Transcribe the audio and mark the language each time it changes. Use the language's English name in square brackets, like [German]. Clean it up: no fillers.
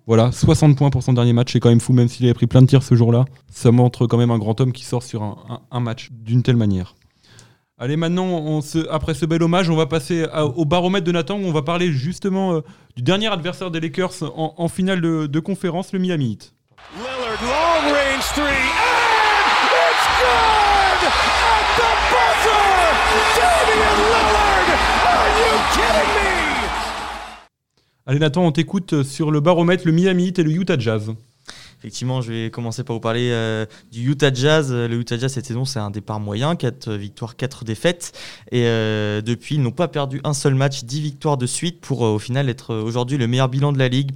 [French] Voilà, 60 points pour son dernier match, c'est quand même fou, même s'il avait pris plein de tirs ce jour-là. Ça montre quand même un grand homme qui sort sur un match d'une telle manière. Allez, maintenant, après ce bel hommage, on va passer au baromètre de Nathan, où on va parler justement du dernier adversaire des Lakers en finale de conférence, le Miami Heat. [English] Lillard, long range 3, and it's good! At the buzzer, Damian Lillard, are you kidding me? [French] Allez Nathan, on t'écoute sur le baromètre, le Miami Heat et le Utah Jazz. Effectivement, je vais commencer par vous parler du Utah Jazz. Le Utah Jazz, cette saison, c'est un départ moyen. 4 victoires, 4 défaites. Et depuis, ils n'ont pas perdu un seul match, 10 victoires de suite pour au final être aujourd'hui le meilleur bilan de la Ligue.